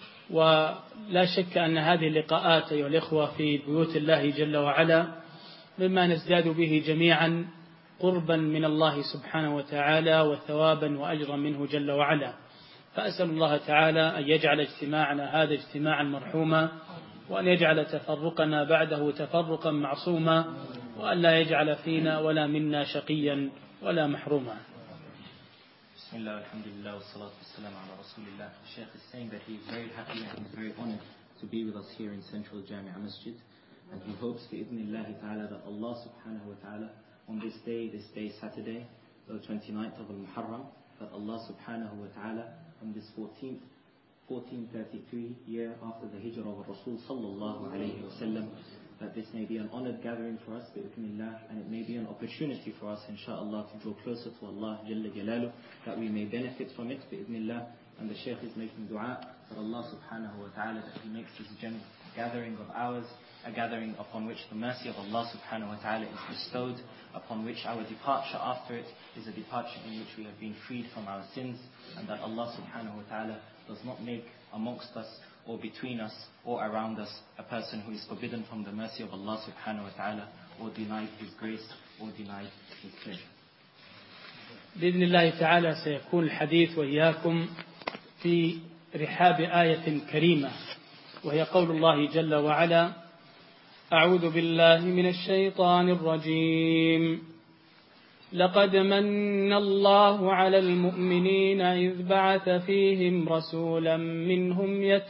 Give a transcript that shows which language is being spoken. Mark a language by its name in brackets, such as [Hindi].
[Arabic] ولا شك أن هذه اللقاءات أيها الإخوة في بيوت الله جل وعلا مما نزداد به جميعا قربا من الله سبحانه وتعالى وثوابا وأجرا منه جل وعلا فأسأل الله تعالى أن يجعل اجتماعنا هذا اجتماعا مرحوما وأن يجعل تفرقنا بعده تفرقا معصوما وأن لا يجعل فينا ولا منا شقيا ولا محروما. بسم الله والحمد لله والصلاة والسلام على رسول الله. [English] The Sheikh is saying that he is very happy and he's very honored to be with us here in Central Jamia Masjid, and he hopes for Ibn Allah Ta'ala that Allah Subhanahu wa Ta'ala on this day Saturday, the 29th of Al-Muharram, that Allah Subhanahu wa Ta'ala on this 1433 year after the Hijrah of Rasul Sallallahu Alaihi Wasallam, that this may be an honored gathering for us, bi-ibnillah, and it may be an opportunity for us, inshaAllah, to draw closer to Allah, Jalla Jalalu, that we may benefit from it, bi-ibnillah. And the Shaykh is making dua for Allah Subhanahu wa Ta'ala that He makes this gathering of ours a gathering upon which the mercy of Allah Subhanahu wa Ta'ala is bestowed, upon which our departure after it is a departure in which we have been freed from our sins, and that Allah Subhanahu wa Ta'ala does not make amongst us or between us or around us a person who is forbidden from the mercy of Allah Subhanahu wa Ta'ala or denied His grace or denied His pleasure. [Arabic] بإذن الله تعالى سيكون الحديث وإياكم في رحاب آية كريمة وهي قول الله جل وعلا أعوذ بالله من الشيطان الرجيم لقد من الله على المؤمنين إذ بعث فيهم رسولا منهم